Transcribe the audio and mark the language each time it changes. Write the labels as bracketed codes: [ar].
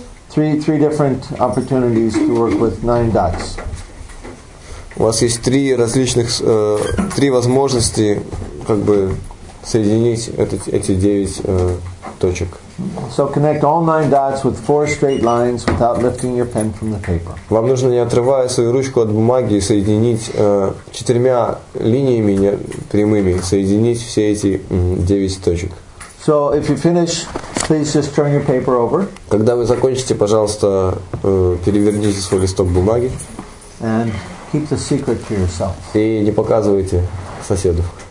[en] Three different opportunities to work with nine dots. [ru] У вас есть три возможности, как бы соединить эти девять точек. [en] So connect all nine dots with four straight lines without lifting your pen from the paper. [ru] Вам нужно, не отрывая свою ручку от бумаги, соединить четырьмя линиями прямыми, соединить все эти девять точек. [en] So if you finish, please just turn your paper over. [ru] Когда вы закончите, пожалуйста, переверните свой листок бумаги. [en] And keep the secret to yourself. [ru] И не показывайте соседу.